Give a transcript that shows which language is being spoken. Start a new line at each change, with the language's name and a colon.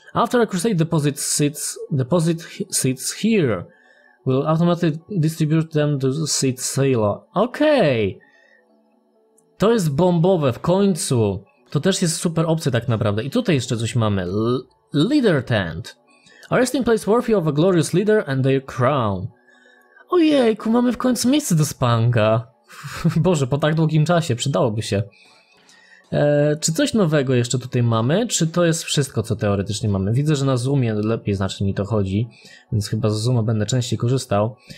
English: After a crusade deposit seeds here. We'll automatically distribute them to the seed silo. Okej.
Polish: Okay. To jest bombowe w końcu. To też jest super opcja tak naprawdę. I tutaj jeszcze coś mamy.
English: Leader tent. A resting place worthy of a glorious leader and their crown.
Polish: Ojejku, mamy w końcu miejsce do spanga. Boże, po tak długim czasie przydałoby się. Czy coś nowego jeszcze tutaj mamy? Czy to jest wszystko, co teoretycznie mamy? Widzę, że na Zoomie lepiej znacznie mi to chodzi. Więc chyba z Zooma będę częściej korzystał.